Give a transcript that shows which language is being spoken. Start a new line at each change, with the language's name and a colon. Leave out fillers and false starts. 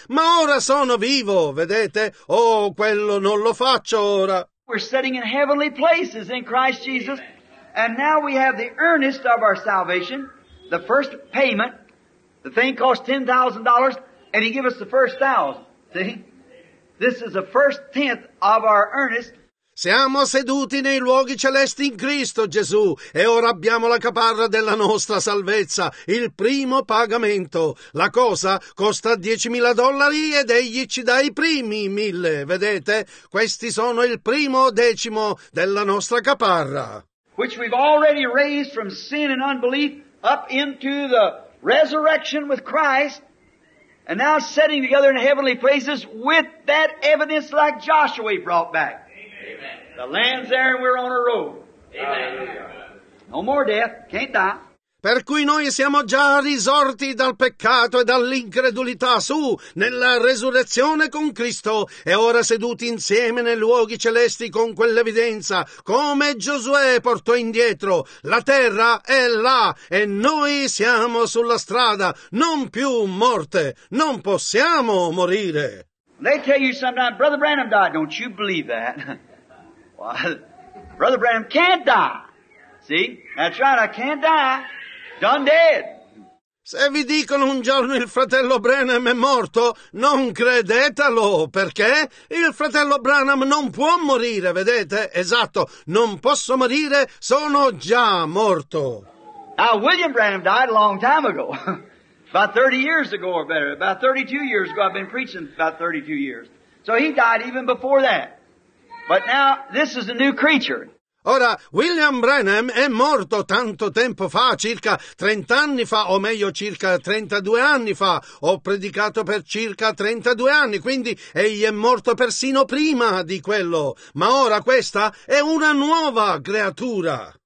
Italian: Ma ora sono vivo, vedete? Oh, quello non lo faccio ora.
English: We're sitting in heavenly places in Christ Jesus, and now we have the earnest of our salvation, the first payment, the thing cost $10,000, and he gave us the first thousand, see? This is the first tenth of our earnest.
Italian: Siamo seduti nei luoghi celesti in Cristo Gesù e ora abbiamo la caparra della nostra salvezza, il primo pagamento. La cosa costa $10,000 ed egli ci dà i primi 1,000, vedete? Questi sono il primo decimo della nostra caparra.
English: Which we've already raised from sin and unbelief up into the resurrection with Christ, and now sitting together in heavenly places with that evidence like Joshua brought back. The land's there and we're on a road. Amen. No more death. Can't die.
Italian: Per cui noi siamo già risorti dal peccato e dall'incredulità su nella resurrezione con Cristo e ora seduti insieme nei luoghi celesti con quell'evidenza come Giosuè portò indietro. La terra è là e noi siamo sulla strada, non più morte. Non possiamo morire.
English: They tell you sometimes, Brother Branham died. Don't you believe that? Well, Brother Branham can't die. See? That's right, I can't die. Done dead.
Italian: Se vi dicono un giorno il fratello Branham è morto, non credetelo, perché il fratello Branham non può morire, vedete? Esatto, non posso morire, sono già morto.
English: Now, William Branham died a long time ago. About 30 years ago or better. About 32 years ago, I've been preaching about 32 years. So he died even before that. But now, this is a new creature.
Italian: Ora, William Branham è morto tanto tempo fa, circa 30 anni fa, o meglio circa 32 anni fa. Ho predicato per circa 32 anni, quindi egli è morto persino prima di quello. Ma ora questa è una nuova creatura.